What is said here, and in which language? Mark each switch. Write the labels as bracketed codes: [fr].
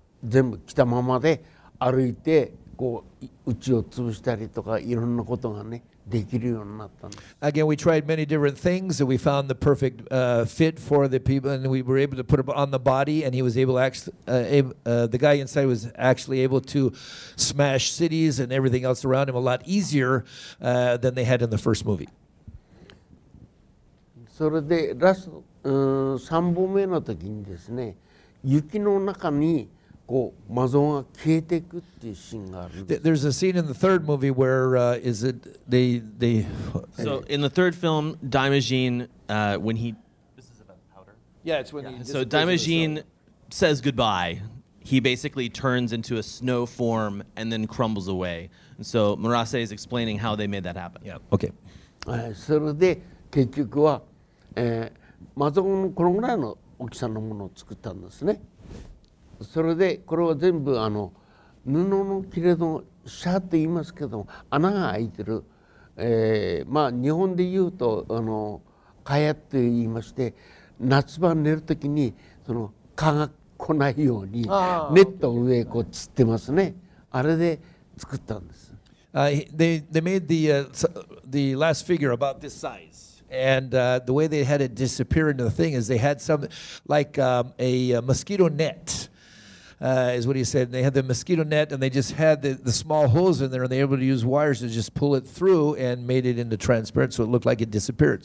[ja] 全部来たままで歩いてこう家を潰したりとかいろんなことがねできるようになったんです。 [en] Again, we tried many different things and we found the perfect fit for the people and we were able to put it on the body and he was able to the guy inside was actually able to smash cities and everything else around him a lot easier than they had in the first movie. [ja] それでラスト三本目の時にですね雪の中にこう魔像が消えていくっていうシーンがあるんです。 [en] There's a scene in the third movie where is it they So in the third film, Daimajin when he This is about powder. Yeah, it's when yeah. he So Daimajin says goodbye. He basically turns into a snow form and then crumbles away. And so Murase is explaining how they made that happen. Yeah. Okay. [ja] それで結局は魔像のこのぐらいの大きさのものを作ったんですね。それでこれは全部あの布の切れのシャーと言いますけども穴が開いてる、まあ日本で言うとあの蚊帳と言いまして夏場寝るときにその蚊が来ないようにネットを上こう吊ってますねあれで作ったんです。 [en] They made the last figure about this size. And the way they had it disappear into the thing is they had some, like a mosquito net, is what he said. And they had the mosquito net and they just had the small holes in there and they were able to use wires to just pull it through and made it into transparent so it looked like it disappeared.